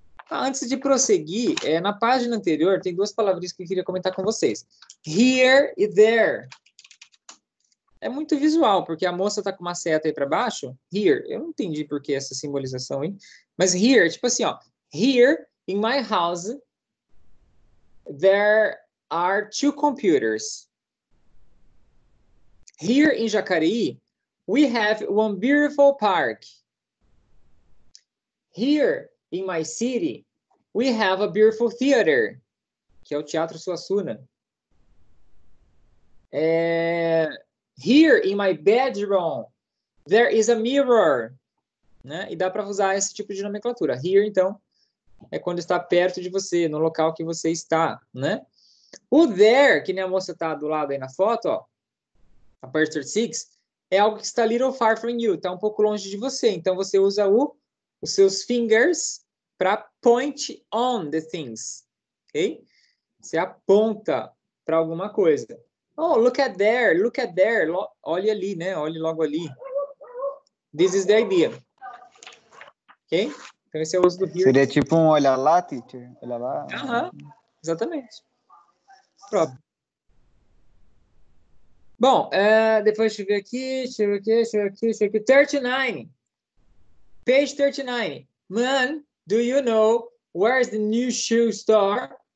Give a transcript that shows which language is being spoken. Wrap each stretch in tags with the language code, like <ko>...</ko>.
<pt>Antes de prosseguir, na página anterior, tem duas palavrinhas que eu queria comentar com vocês. Here e there. É muito visual, porque a moça tá com uma seta aí para baixo. Here. Eu não entendi por que essa simbolização aí. Mas here, tipo assim, ó.</pt> <en>Here, in my house, there are two computers. Here in Jacareí, we have one beautiful park. Here in my city, we have a beautiful theater,</en> <pt>que é o Teatro Suassuna.</pt> <en>Here in my bedroom, there is a mirror.</en> <pt>Né? E dá para usar esse tipo de nomenclatura. Here, então, é quando está perto de você, no local que você está. Né? O there, que nem a moça está do lado aí na foto, ó. Aperture 6, é algo que está</pt> <en>a little far from you,</en> <pt>está um pouco longe de você. Então, você usa os seus fingers para</pt> <en>point on the things,</en> <pt>ok? Você aponta para alguma coisa.</pt> <en>Oh, look at there,</en> <pt>olhe ali, né? Olhe logo ali.</pt> <en>This is the idea.</en> <pt>Ok? Então, esse é o uso do here. Seria tipo um olha lá, teacher? Olha lá. Uh-huh. Exatamente. Pronto. Bom, depois deixa eu ver aqui, deixa eu ver aqui.</pt> <en>39. Page 39. Man, do you know where is the new shoe store?</en>